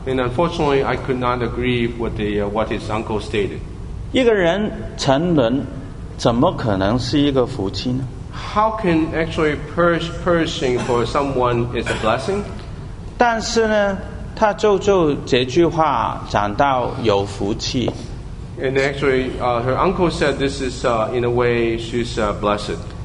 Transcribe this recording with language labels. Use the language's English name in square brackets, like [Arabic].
[English] And unfortunately, I could not agree with what his uncle stated. [Chinese] 一个人沉沦。怎么可能是一个福气呢? [English] How can actually person for someone is a blessing? [Chinese] 但是呢，他舅舅这句话讲到有福气。 [English] And actually, her uncle said this is in a way she's blessed.